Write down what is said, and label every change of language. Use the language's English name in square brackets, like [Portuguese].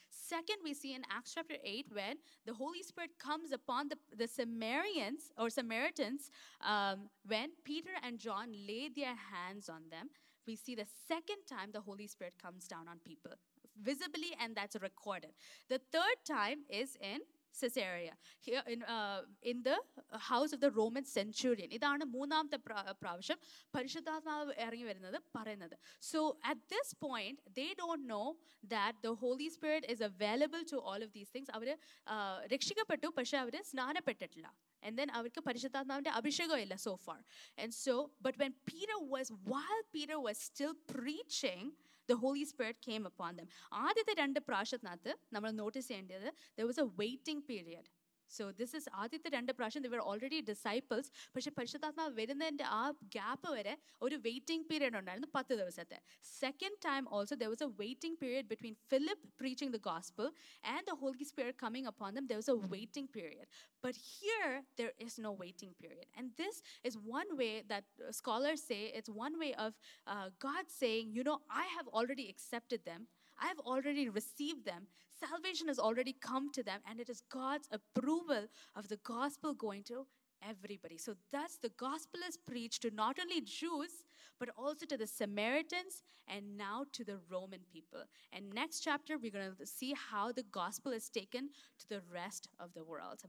[English] Second, we see in Acts chapter 8 when the Holy Spirit comes upon the Samaritans or Samaritans when Peter and John lay their hands on them. We see the second time the Holy Spirit comes down on people visibly, and that's recorded. The third time is in Caesarea, here in the house of the Roman centurion. [Malayalam] ഇതാണ് മൂന്നാമത്തെ പ്രാവശ്യം പരിശുദ്ധാത്മാവ് ഇറങ്ങി വരുന്നത് പറയുന്നത്. [English] So at this point, they don't know that the Holy Spirit is available to all of these things. [Malayalam] അവര് രക്ഷിക്കപ്പെട്ടു, പക്ഷെ അവര് സ്നാനപ്പെട്ടിട്ടില്ല. [English] And then [Malayalam] അവർക്ക് പരിശുദ്ധാത്മാവിന്റെ അഭിഷേകം ഇല്ല [English] so far. And so, but when while Peter was still preaching, the Holy Spirit came upon them. [Malayalam] ആദ്യത്തെ രണ്ട് പ്രാവശ്യത്തിനകത്ത് നമ്മൾ നോട്ടീസ് ചെയ്യേണ്ടത്, [English] there was a waiting period. So this is [Malayalam] ആദ്യത്തെ രണ്ട് പ്രാവശ്യം, [English] they were already disciples. [Malayalam] പക്ഷേ പരിശുദ്ധാത്മാവ് വരുന്നതിൻ്റെ ആ ഗ്യാപ്പ് വരെ ഒരു വെയിറ്റിംഗ് പീരീഡ് ഉണ്ടായിരുന്നു, 10 ദിവസത്തെ. [English] Second time also there was a waiting period between Philip preaching the gospel and the Holy Spirit coming upon them. There was a waiting period. But here there is no waiting period. And this is one way that scholars say, it's one way of God saying you know I have already accepted them. I have already received them. Salvation has already come to them, and it is God's approval of the gospel going to everybody. So thus the gospel is preached to not only Jews but also to the Samaritans and now to the Roman people. And next chapter we're going to see how the gospel is taken to the rest of the world.